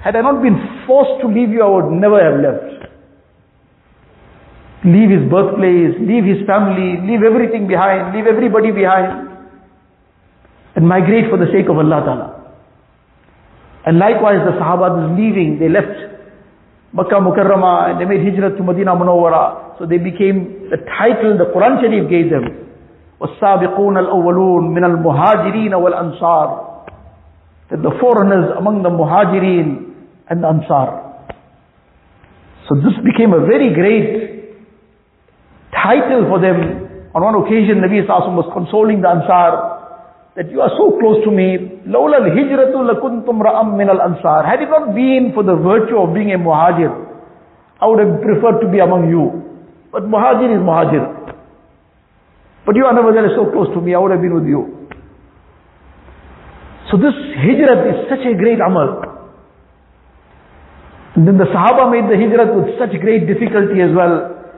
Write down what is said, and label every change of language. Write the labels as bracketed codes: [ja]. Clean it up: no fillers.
[en] Had I not been forced to leave you, I would never have left. Leave his birthplace, leave his family, leave everything behind, leave everybody behind, and migrate for the sake of Allah Ta'ala. And likewise the Sahaba is leaving, they left Makkah Mukarrama, and they made Hijrat to Madinah Munawwara. So they became the title the Quran Sharif gave them. [ar] والسابقون الأولون من المهاجرين والأنصار. [en] That the foreigners among the muhajirin and the ansar. So this became a very great title for them. On one occasion, Nabi Sallallahu Alaihi Wasallam was consoling the ansar that you are so close to me. [ar] لولا الهجرة لكنتم رأم من الأنصار. [en] Had it not been for the virtue of being a muhajir, I would have preferred to be among you. But Muhajir is Muhajir. But you are nevertheless so close to me, I would have been with you. So this hijrat is such a great amal. And then the Sahaba made the hijrat with such great difficulty as well.